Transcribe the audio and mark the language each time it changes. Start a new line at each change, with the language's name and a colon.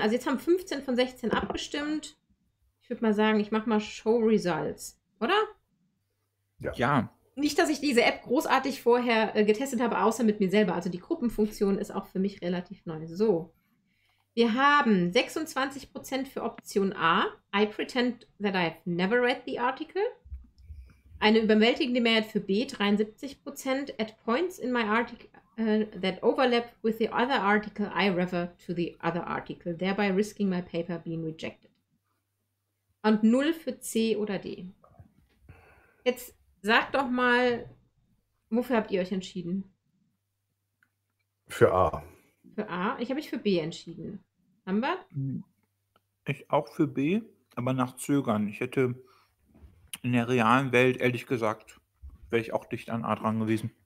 German: Also jetzt haben 15 von 16 abgestimmt. Ich würde mal sagen, ich mache mal Show Results, oder? Ja. Nicht, dass ich diese App großartig vorher getestet habe, außer mit mir selber. Also die Gruppenfunktion ist auch für mich relativ neu. So. Wir haben 26% für Option A.
English: I pretend that I've never read the article.
German: Eine überwältigende Mehrheit für B, 73%.
English: At points in my article that overlap with the other article, I refer to the other article, thereby risking my paper being rejected.
German: Und 0 für C oder D. Jetzt sagt doch mal, wofür habt ihr euch entschieden? Für A. Für A? Ich habe mich für B entschieden. Amber? Ich auch für B, aber nach Zögern. Ich hätte in der realen Welt, ehrlich gesagt, wäre ich auch dicht an A dran gewesen.